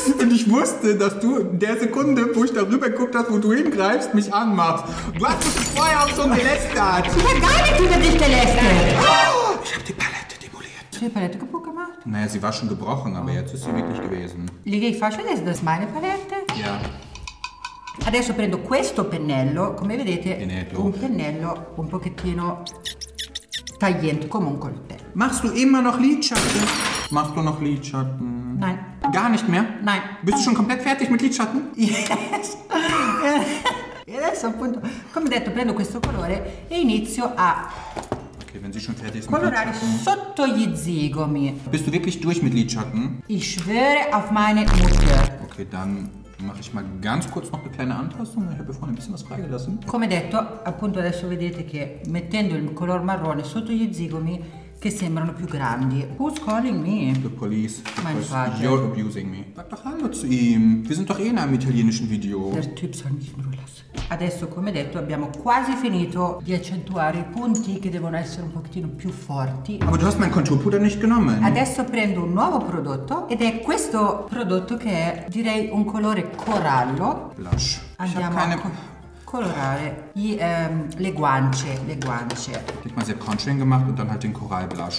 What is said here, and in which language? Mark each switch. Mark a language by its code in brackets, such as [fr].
[de] Ich wusste, dass du in der Sekunde, wo ich darüber geguckt habe, wo du hingreifst, mich anmachst. Du hast mich vorher auch schon gelästert. Ich habe gar nicht über dich gelästert. Ich habe die Palette demoliert. Hast du die Palette kaputt gemacht? Naja, sie war schon gebrochen, aber jetzt ist sie wirklich gewesen. Liege ich falsch? Ist das meine Palette? Ja. [it] Adesso prendo questo pennello. Come vedete, un pennello un pochettino tagliente, come un coltello. [de] Machst du immer noch Lidschatten? Machst du noch Lidschatten? Nein. Gar nicht mehr? Nein. Bist du schon komplett fertig mit Lidschatten? [en] Yes. [it] E adesso appunto, come detto, prendo questo colore e inizio a... [de] Okay, wenn sie schon fertig ist mit Lidschatten. [it] Colorare sotto gli zigomi. [de] Bist du wirklich durch mit Lidschatten? Ich schwöre auf meine Mutter. Okay, dann mache ich mal ganz kurz noch eine kleine Anpassung. Ich habe vorhin ein bisschen was freigelassen. [it] Come detto, appunto adesso vedete che mettendo il color marrone sotto gli zigomi, che sembrano più grandi. [en] Who's calling me? The police. [de] Mein Vater. [en] You're abusing me. [de] Sag doch hallo zu ihm. Wir sind doch in einem italienischen Video. Der Typ soll mich in Ruhe lassen. [it] Adesso, come detto, abbiamo quasi finito di accentuare i punti che devono essere un pochettino più forti. [de] Aber du hast mein Contourpuder nicht genommen. [it] Adesso prendo un nuovo prodotto ed è questo prodotto che è, direi, un colore corallo. [en] Blush. [it] Andiamo keine... colorare le guance. [de] Ich hab mal sehr contouring gemacht und dann halt den Korallblush.